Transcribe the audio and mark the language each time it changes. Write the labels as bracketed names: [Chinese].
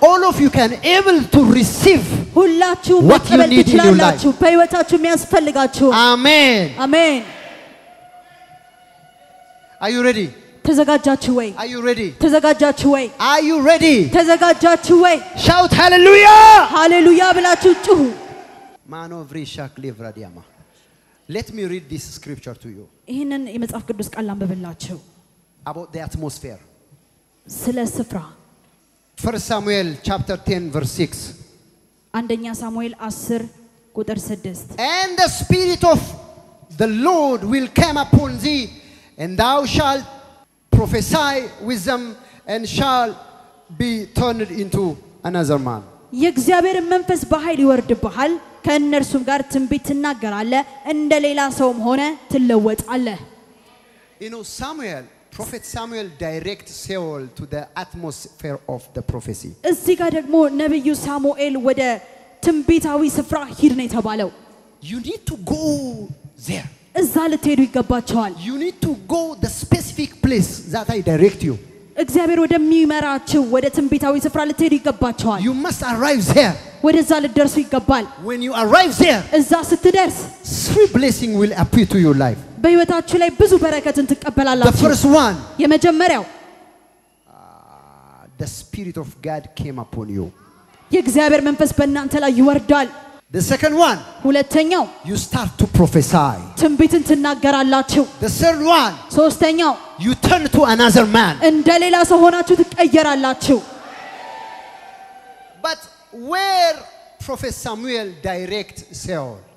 [English] All of you can able to receive. [Amharic] ሁላችሁ መቀበል ትችላላችሁ በሕይወታችሁ የሚያስፈልጋችሁ. [English] Amen. Amen. Are you ready? [Amharic] ተዘጋጃችሁ ወይ? [English] Are you ready? [Amharic] ተዘጋጃችሁ ወይ? [English] Are you ready? [Amharic] ተዘጋጃችሁ ወይ? [English] Shout hallelujah! [Amharic] Hallelujah ብላችሁ ጩሁ. ማኖቭሪ ሻክሊቭ ራዲያማ. [English] Let me read this scripture to you. [Amharic] ይሄንን የመጽሐፍ ቅዱስ ቃል አንብብላችሁ. [English] About the atmosphere. [Amharic] ስለ ስፍራ. [English] 1 Samuel chapter 10 verse 6. [Amharic] አንደኛ ሳሙኤል 10 ቁጥር 6. [English] And the spirit of the Lord will come upon thee and thou shalt prophesy with them and shall be turned into another man. [Amharic] የእግዚአብሔር መንፈስ በኃይል ይወርድብሃል ከእነርሱም ጋር ትንቢት ትናገራለህ እንደ ሌላ ሰውም ሆነ ትለወጣለህ. [English] You know, Samuel, Prophet Samuel direct Saul to the atmosphere of the prophecy. [Amharic] እዚህ ጋር ደግሞ ነብዩ ሳሙኤል ወደ ትንቢታዊ ስፍራ ሄድ ነው የተባለው. [English] You need to go there. [Amharic] እዛ ለተይዱ ይገባቸዋል. [English] You need to go the specific place that I direct you. [Amharic] እግዚአብሔር ወደሚመራችሁ ወደ ትንቢታዊ ስፍራ ለተይዱ ይገባቸዋል. [English] You must arrive there. [Amharic] ወደዛ ለደርሱ ይገባል. [English] When you arrive there. [Amharic] እዛ ስትደርስ [English] three blessing will appear to your life. [Amharic] በህይወታችሁ ላይ ብዙ በረከትን ትቀበላላችሁ. [English] The first one. [Amharic] የመጀመሪያው [English] the spirit of God came upon you. [Amharic] የእግዚአብሔር መንፈስ በእናንተ ላይ ይወርዳል. [English] The second one. [Amharic] ሁለተኛው [English] you start to prophesy. [Amharic] ትንቢትን ትናገራላችሁ. [English] The third one. [Amharic] ሶስተኛው [English] you turn to another man. [Amharic] እንደ ሌላ ሰው ሆናችሁ ትቀየራላችሁ. [English] But where Prophet Samuel direct Saul?